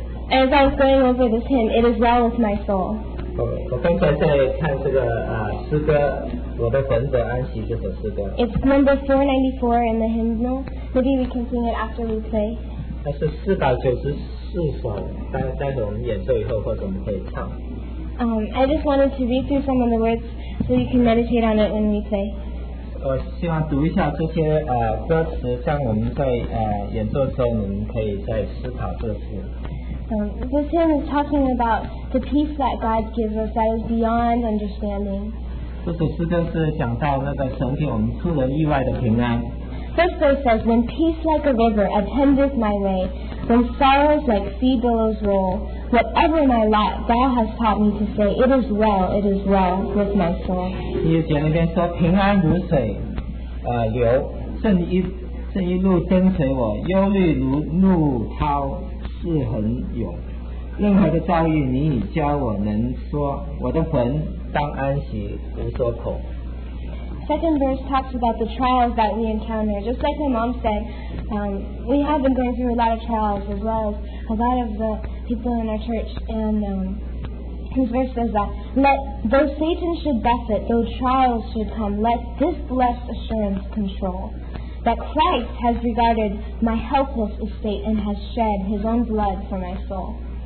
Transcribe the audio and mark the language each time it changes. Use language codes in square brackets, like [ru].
[en] As I was going over this hymn, it is well with my soul. [zh] 我刚才在看这个诗歌，我的魂得安息这首诗歌。 [en] It's number 494 in the hymnal. Maybe we can sing it after we play. [zh] 它是494首，待会我们演奏以后或者我们可以唱。 [en] I just wanted to read through some of the words so you can meditate on it when we play. [zh] 我希望读一下这些歌词，这样我们在演奏的时候，我们可以再思考这些。 [en] This hymn is talking about the peace that God gives us that is beyond understanding. [zh] 这首诗歌是讲到那个神给我们出人意外的平安。 [en] First verse says, When peace like a river attendeth my way, when sorrows like sea billows roll, whatever my lot, thou hast taught me to say, it is well with my soul. [zh] 第一节那边说，平安如水流，正一路跟随我，忧虑如怒涛。是很有任何的遭遇你已教我能说我的魂当安息无所恐 [en] Second verse talks about the trials that we encounter just like my mom said we have been going through a lot of trials as well as a lot of the people in our church and his verse says that though Satan should buffet though trials should come let this blessed assurance control that Christ has regarded my helpless estate and has shed his own blood for my soul.